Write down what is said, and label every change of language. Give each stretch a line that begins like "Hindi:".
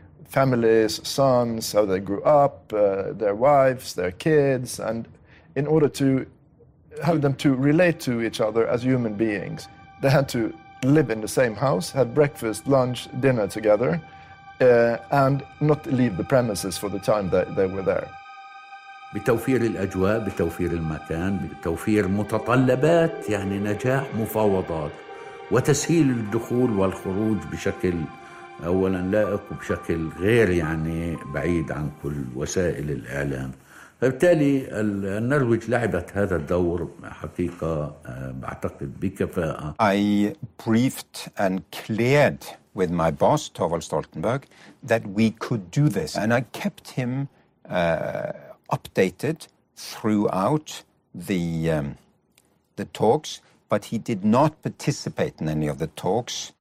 English: Families, sons, how they grew up, their wives, their kids, and in order to have them to relate to each other as human beings, they had to live in the same house, had breakfast, lunch, dinner together, and not leave the premises for the time that they were there.
Arabic: بتوفير الأجواء، بتوفير المكان، بتوفير متطلبات يعني نجاح مفاوضات وتسهيل الدخول والخروج بشكل أولاً لائق وبشكل غير يعني بعيد عن كل وسائل الإعلام. فبالتالي النرويج لعبت هذا الدور حقيقة بعتقد بكفاءة.
English: I briefed and cleared with my boss Thorvald Stoltenberg that we could do this, and I kept him updated throughout the talks, but he did not participate in any of the talks.